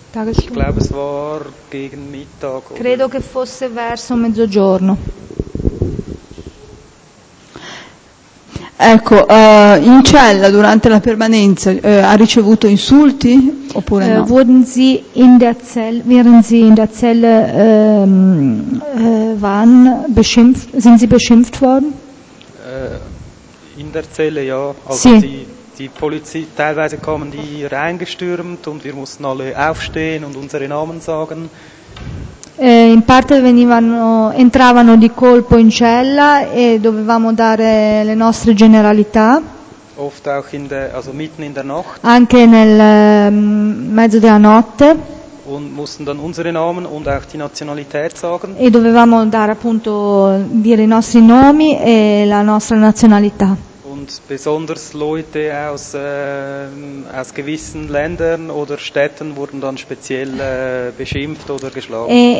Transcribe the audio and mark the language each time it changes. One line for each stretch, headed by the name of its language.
German: Ich glaube, es war gegen Mittag.
Italian: Credo che fosse verso mezzogiorno. Ecco, in cella durante la permanenza ha ricevuto insulti oppure no?
German: Wurden Sie in der Zelle, während Sie in der Zelle waren, beschimpft? Sind Sie beschimpft worden? In der Zelle ja, also sì. Die Polizei, teilweise kommen die reingestürmt und wir mussten alle aufstehen und unsere Namen sagen.
Italian: In parte entravano di colpo in cella e dovevamo dare le nostre generalità.
German: Oft auch in also mitten in der Nacht.
Italian: Anche nel mezzo della notte.
German: Und mussten dann unsere Namen und auch die Nazionalität sagen.
Italian: E dovevamo dare appunto dire i nostri nomi e la nostra nazionalità.
German: Und besonders Leute aus gewissen Ländern oder Städten wurden dann speziell beschimpft oder geschlagen.